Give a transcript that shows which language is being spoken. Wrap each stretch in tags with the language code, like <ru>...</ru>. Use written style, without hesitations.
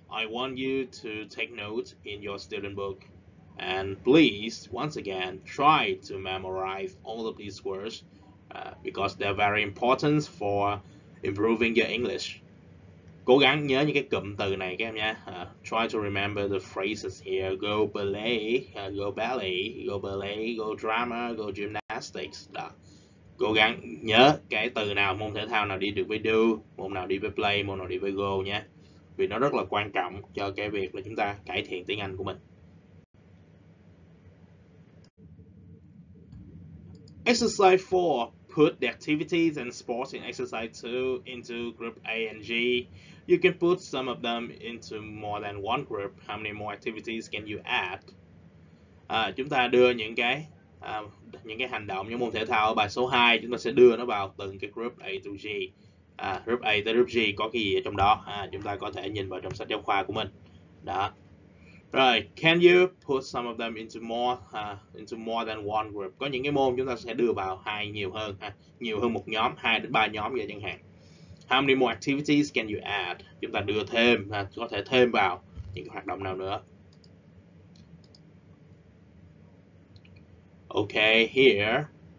<en>I want you to take notes in your student book. And please, once again, try to memorize all of these words because they're very important for improving your English.</en> <vi>Cố gắng nhớ những cái cụm từ này các em nha.</vi> <en>Try to remember the phrases here. Go ballet, go ballet, go ballet, go drama, go gymnastics. Đó.</en> <vi>Cố gắng nhớ cái từ nào, môn thể thao nào đi được với do, môn nào đi với play, môn nào đi với go nhé. Vì nó rất là quan trọng cho cái việc là chúng ta cải thiện tiếng Anh của mình.</vi> <en>Exercise 4. Put the activities and sports in exercise 2 into group A and G. You can put some of them into more than one group. How many more activities can you add?</en> <vi>Chúng ta đưa những cái hành động, những môn thể thao ở bài số 2, chúng ta sẽ đưa nó vào từng cái group A to G. Group A tới group G có cái gì ở trong đó? Chúng ta có thể nhìn vào trong sách giáo khoa của mình. Đó.</vi> <en>Right, can you put some of them into more than one group?</en> <vi>Có những cái môn chúng ta sẽ đưa vào hai nhiều hơn ha, nhiều hơn một nhóm, hai đến ba nhóm vậy chẳng hạn.</vi> <en>How many more activities can you add?</en> <vi>Chúng ta đưa thêm ha, có thể thêm vào những hoạt động nào nữa.</vi> <en>Okay, here.</en>